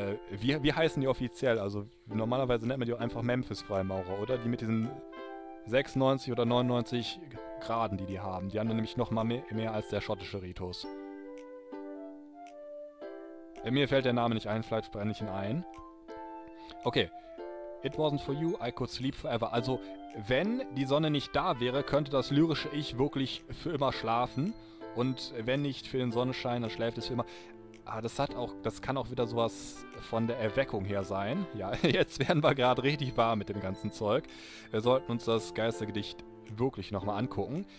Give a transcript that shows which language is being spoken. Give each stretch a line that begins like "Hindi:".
German: wie heißen die offiziell? Also normalerweise nennt man die auch einfach Memphis-Freimaurer, oder? Die mit diesen 96 oder 99 Graden, die die haben. Die haben nämlich noch mal mehr als der schottische Ritus. Mir fällt der Name nicht ein, vielleicht brenne ich ihn ein. Okay.
English: It wasn't for you, I could sleep forever.
German: Also, wenn die Sonne nicht da wäre, könnte das lyrische Ich wirklich für immer schlafen. Und wenn nicht für den Sonnenschein, dann schläft es für immer. Ah, das kann auch wieder sowas von der Erweckung her sein. Ja, jetzt werden wir gerade richtig warm mit dem ganzen Zeug. Wir sollten uns das Geistergedicht wirklich nochmal angucken.